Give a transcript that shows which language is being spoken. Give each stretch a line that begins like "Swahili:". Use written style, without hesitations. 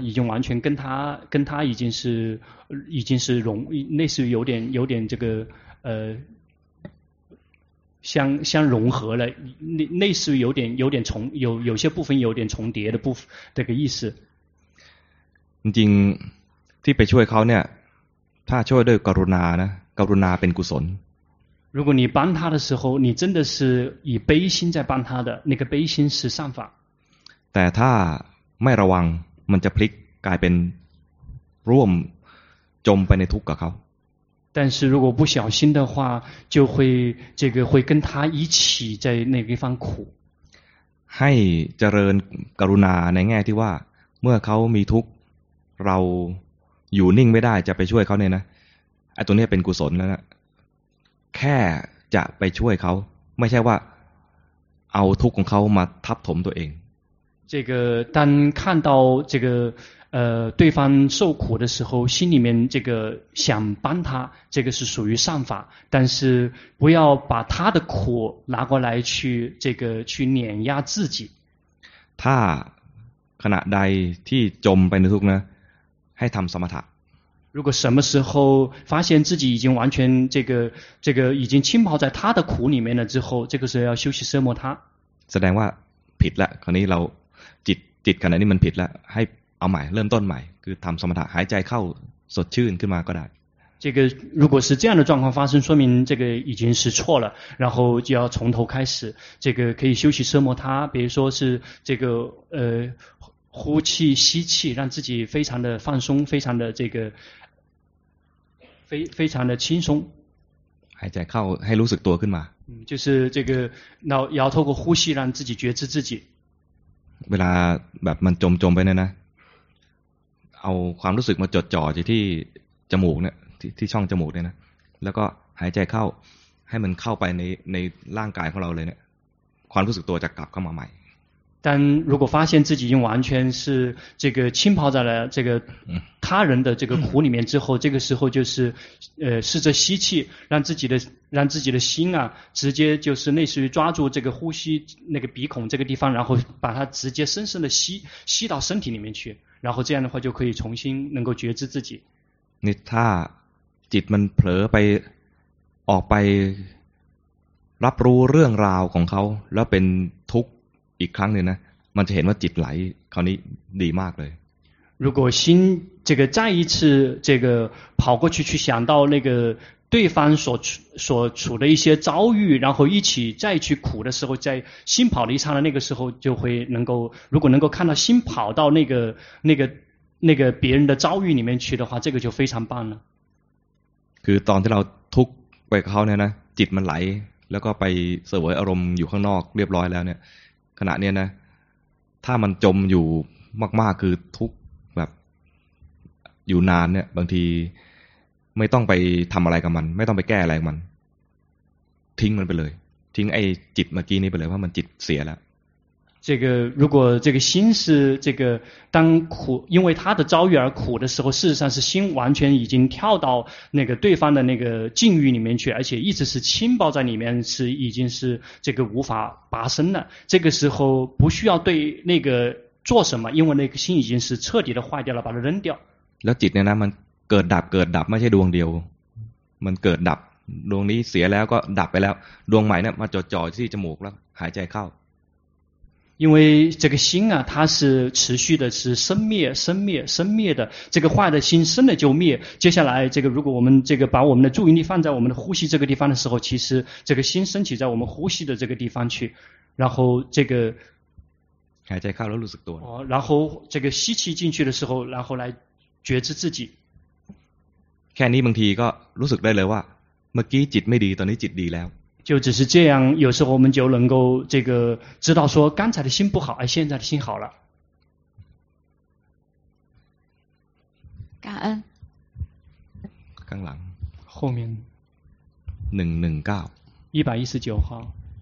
Chinese: 已经完全跟他已经是融，类似于有点这个相融合了，类似于有点重有些部分有点重叠的部分这个意思。
Thai: จริงที่ไปช่วยเขาเนี่ยถ้าช่วยด้วยกรุณานะกรุณาเป็นกุศล
Chinese: 如果你帮他的时候你真的是以悲心在帮他的那个悲心是善法
Thai: แต่ถ้าไม่ระวังมันจะพลิกกลายเป็นร่วมจมไปในทุกข์กับเขา
Chinese: 但是如果不小心的话就会这个会跟他一起在那个地方苦
Thai: ให้เจริญกรุณาในแง่ที่ว่าเมื่อเขามีทุกข์เราอยู่นิ่งไม่ได้จะไปช่วยเขาเนี่ยนะไอ้ตัวนี้เป็นกุศลแล้วนะแค่จะไปช่วยเขาไม่ใช่ว่าเอาทุกข์ของเขามาทับถมตัวเอง
Chinese: 这个当看到这个对方受苦的时候心里面这个想帮他这个是属于善法但是不要把他的苦拿过来去这个去碾压自己
Thai: ถ้าขณะใดที่จมไปในทุกข์นะให้ทำสมถะ
Chinese: 如果什么时候发现自己已经完全这个已经浸泡在他的苦里面了之后这个时候要休息奢摩他
Thai: แสดงว่าผิดละคราวนี้เราจิตขณะนี้มันผิดละใหเอาใหม่เริ่มต้นใหม่คือทำสมถะหายใจเข้าสดชื่นขึ้นมาก็ได้
Chinese: 这个如果是这样的状况发生说明这个已经是错了然后就要从头开始这个可以休息奢摩他比如说是这个呼气吸气让自己非常的放松非常的这个非常的轻松
Thai: หายใจเข้าให้รู้สึกตัวขึ้นมา
Chinese: 就是这个要透过呼吸让自己觉知自己
Thai: เวลาแบบมันจมไปเนี่ยนะเอาความรู้สึกมาจดจ่อที่จมูกเนี่ย ที่ช่องจมูกเนี่ยนะแล้วก็หายใจเข้าให้มันเข้าไปในร่างกายของเราเลยเนี่ยความรู้สึกตัวจะกลับเข้ามาใหม่
Chinese: 但如果发现自己已经完全是这个浸泡在了这个他人的这个苦里面之后这个时候就是试着吸气让自己的心啊直接就是类似于抓住这个呼吸那个鼻孔这个地方然后把它直接深深的吸到身体里面去然后这样的话就可以重新能够觉知自己
Thai: นี่ถ้าจิตมันเผลอไปออกไปรับรู้เรื่องราวของเขาแล้วเป็นทุกข์อีกครั้งหนึ่งนะมันจะเห็นว่าจิตไหลคราวนี้ดีมากเลย
Chinese: 如果心这个再一次这个跑过去想到那个对方所处的一些遭遇然后一起再去苦的时候在心跑了一刹那那个时候就会能够如果能够看到心跑到那个别人的遭遇里面去的话这个就非常棒了
Thai: คือตอนที่เราทุกข์ไปเข้าเนี่ยนะจิตมันไหลแล้วก็ไปเสวยอารมณ์อยู่ข้างนอกเรียบร้อยแล้วเนี่ยขณะเนี้ยนะถ้ามันจมอยู่มากๆคือทุกข์แบบอยู่นานเนี่ยบางทีไม่ต้องไปทำอะไรกับมันไม่ต้องไปแก้อะไรมันทิ้งมันไปเลยทิ้งไอ้จิตเมื่อกี้นี้ไปเลยเพราะมันจิตเสียแล้ว
Chinese: 这个如果这个心是这个当苦因为他的遭遇而苦的时候事实上是心完全已经跳到那个对方的那个境遇里面去而且一直是浸泡在里面是已经是这个无法拔身了这个时候不需要对那个做什么因为那个心已经是彻底的坏掉了把它扔掉
Thai: แล้วจิตเนี่ยนะมันเกิดดับเกิดดับไม่ใช่ดวงเดียวมันเกิดดับดวงนี้เสียแล้วก็ดับไปแล้วดวงใหม่เนี่ยมาจ่อที่จมูกแล้วหายใจเข้า
Chinese: 因为这个心啊它是持续的是生灭生灭生灭的这个坏的心生了就灭接下来这个如果我们这个把我们的注意力放在我们的呼吸这个地方的时候其实这个心升起在我们呼吸的这个地方去然后这个
Thai: หายใจเข้าแล้วรู้สึกตัว
Chinese: 然后这个吸气进去的时候然后来觉知自己
Thai: แค่นี้บางทีก็รู้สึกได้เลยว่าเมื่อกี้จิตไม่ดีตอนนี้จิตดีแล้ว
Chinese: 就只是这样有时候我们就能够这个知道说刚才的心不好而现在的心好了感恩
Thai: ข้างหลัง
Chinese: 后面 119 119号